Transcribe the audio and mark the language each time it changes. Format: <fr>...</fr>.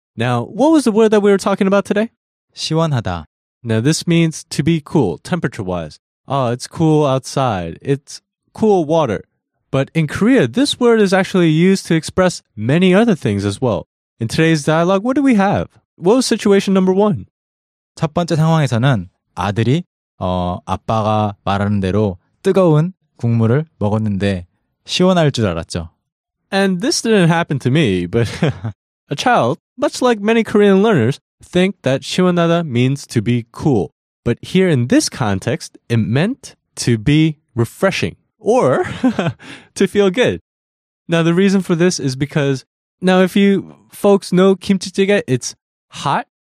<en>Now, what was the word that we were talking about today?</en> <ko>시원하다.</ko> <en>Now, this means to be cool, temperature-wise. Oh, it's cool outside. It's cool water. But in Korea, this word is actually used to express many other things as well. In today's dialogue, what do we have? What was situation number one?</en> <ko>첫 번째 상황에서는 아들이 아빠가 말하는 대로 뜨거운 국물을 먹었는데 시원할 줄 알았죠.</ko> <en>And this didn't happen to me, but a child, much like many Korean learners, think that 시원하다 means to be cool. But here in this context, it meant to be refreshing or to feel good. Now, the reason for this is because, now if you folks know kimchi jjigae, it's hot.</en>